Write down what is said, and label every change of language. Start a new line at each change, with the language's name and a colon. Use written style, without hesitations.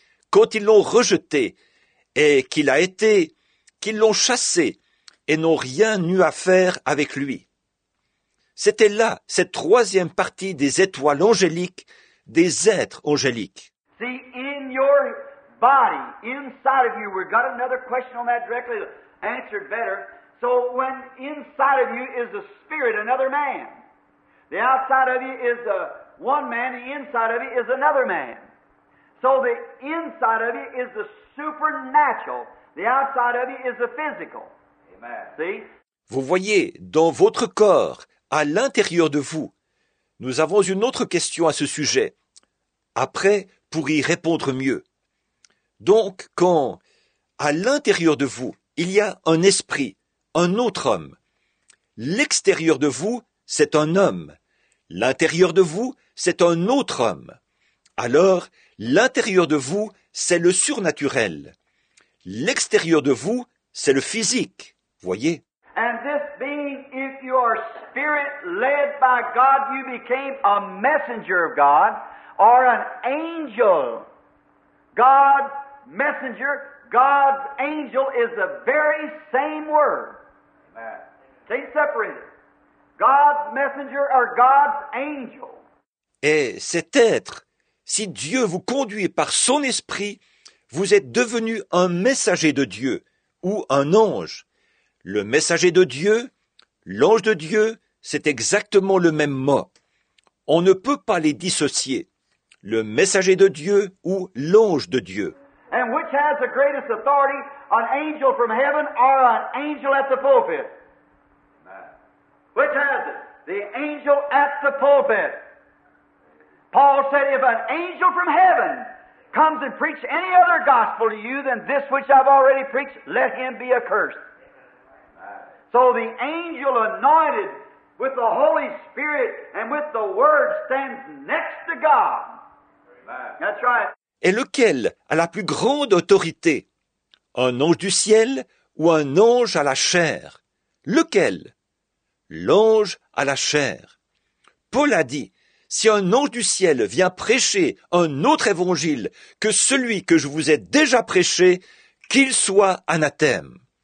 French: Quand ils l'ont rejeté et qu'ils l'ont chassé et n'ont rien eu à faire avec lui. C'était là, cette troisième partie des étoiles angéliques, des êtres angéliques.
English: See, in your body, inside of you, we've got another question on that directly answered better. So when inside of you is a spirit, another man. The outside of you is a one man, the inside of you is another man. So the inside of you is the supernatural, the outside of you is the physical. Amen. See?
French: Vous voyez, dans votre corps, à l'intérieur de vous, nous avons une autre question à ce sujet. Après, pour y répondre mieux. Donc, quand à l'intérieur de vous, il y a un esprit, un autre homme, l'extérieur de vous, c'est un homme, l'intérieur de vous, c'est un autre homme, alors l'intérieur de vous, c'est le surnaturel, l'extérieur de vous, c'est le physique, voyez.
English: And this being, if you are spirit led by God, you became a messenger of God. Or an angel, God's messenger, God's angel is the very same word. Amen. They separated. God's messenger or God's angel.
French: Et cet être, si Dieu vous conduit par son esprit, vous êtes devenu un messager de Dieu ou un ange. Le messager de Dieu, l'ange de Dieu, c'est exactement le même mot. On ne peut pas les dissocier. Le messager de Dieu ou l'ange de Dieu.
English: And which has the greatest authority, an angel from heaven or an angel at the pulpit? Which has it? The angel at the pulpit. Paul said, if an angel from heaven comes and preach any other gospel to you than this which I've already preached, let him be accursed. So the angel anointed with the Holy Spirit and with the Word stands next to God. That's right.
French: Et lequel a la plus grande autorité? Un ange du ciel ou un ange à la chair? Lequel? L'ange à la chair. Paul a dit, si un ange du ciel vient prêcher un autre évangile que celui que je vous ai déjà prêché, qu'il soit anathème.